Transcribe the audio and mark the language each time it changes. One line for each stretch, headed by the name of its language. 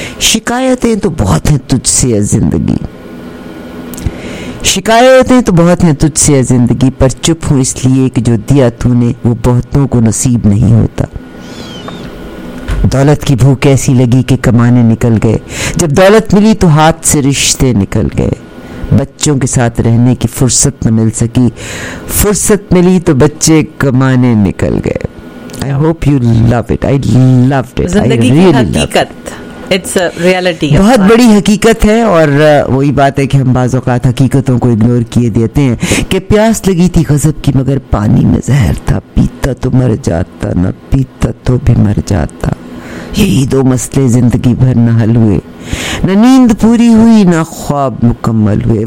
Urdu: شکایتیں تو بہت ہیں تجھ سے اے زندگی, شکایتیں تو بہت ہیں تجھ سے اے زندگی, پر چپ ہوں اس لیے کہ جو دیا تو نے وہ بہتوں کو نصیب نہیں ہوتا. دولت کی بھوک ایسی لگی کہ کمانے نکل گئے, جب دولت ملی تو ہاتھ سے رشتے نکل گئے. بچوں کے ساتھ رہنے کی فرصت نہ مل سکی, فرصت ملی تو بچے کمانے نکل گئے.
English: I hope you love it. I loved it.
Urdu: زندگی کی حقیقت,
English: it's a reality.
Urdu: بہت بڑی حقیقت ہے, اور وہی بات ہے کہ ہم بعض اوقات حقیقتوں کو اگنور کیے دیتے ہیں. کہ پیاس لگی تھی غضب کی مگر پانی میں زہر تھا, پیتا تو مر جاتا نہ پیتا تو بھی مر جاتا. یہی دو مسئلے زندگی بھر نہ حل ہوئے, نہ نیند پوری ہوئی نہ خواب مکمل ہوئے.